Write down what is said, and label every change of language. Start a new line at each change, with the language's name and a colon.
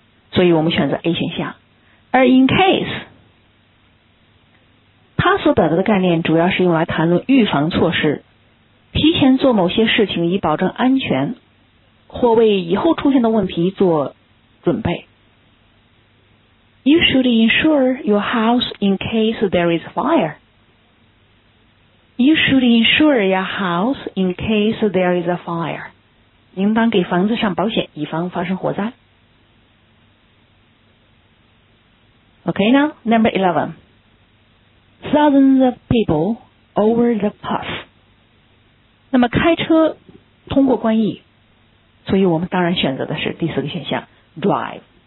Chinese: 所以我们选择 A 选项。而 in case， 它所表达的概念主要是用来谈论预防措施。提前做某些事情以保证安全，或为以后出现的问题做准备。
English: You should insure your house in case there is fire. You should insure your house in case there is a fire.
Chinese: 应当给房子上保险，以防发生火灾。
English: Okay, now number 11. Thousands of people over the pass.
Chinese: 那么开车通过关隘，所以我们当然选择的是第四个选项 drive.